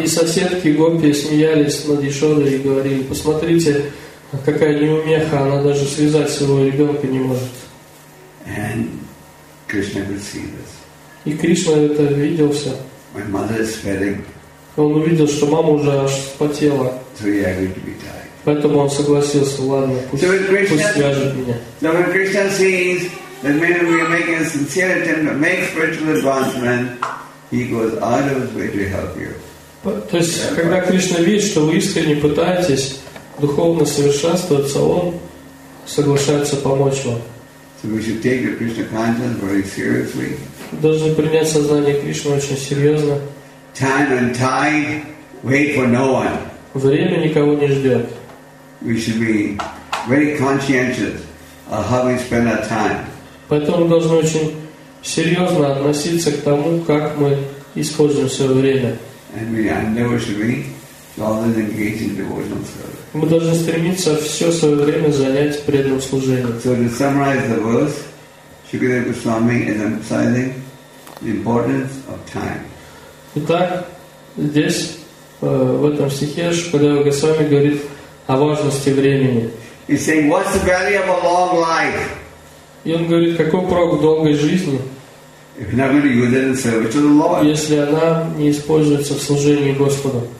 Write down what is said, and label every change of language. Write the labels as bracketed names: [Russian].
[Russian] И соседки гопи смеялись над Ешодой и говорили: «Посмотрите, какая неумеха, она даже связать своего ребенка не может». [English] And Krishna could see this. [Russian] И Кришна это видел все. [English] My mother is sweating. [Russian] Он увидел, что мама уже аж вспотела. [English] So he agreed to be tied. [Russian] Поэтому он согласился: «Ладно, пусть свяжет меня». [English] So when Krishna sees that maybe we are making a sincere attempt to make spiritual advancement, he goes out of his way to help you. [Russian] То есть, когда Кришна видит, что вы искренне пытаетесь духовно совершенствоваться, он соглашается помочь вам. [English] So we should take the Krishna consciousness very seriously. [Russian] Должны принять сознание Кришны очень серьезно. [English] Time and tide wait for no one. [Russian] Время никого не ждет. [English] We should be very conscientious of how we spend our time. [Russian] Поэтому должны очень серьезно относиться к тому, как мы используем свое время. [English] And we never should be always engaged in devotional service. [Russian] Мы должны стремиться все свое время занять преданным служением. [English] So to summarize the verse, Shukadeva Goswami is emphasizing the importance of time. [Russian] Итак, здесь в этом стихе Шукадева Госвами говорит о важности времени. [English] He's saying, what's the value of a long life? [Russian] И он говорит, какой прок долгой жизни, [English] if you're not going to use it in service to the Lord. [Russian] Если она не используется в служении Господу.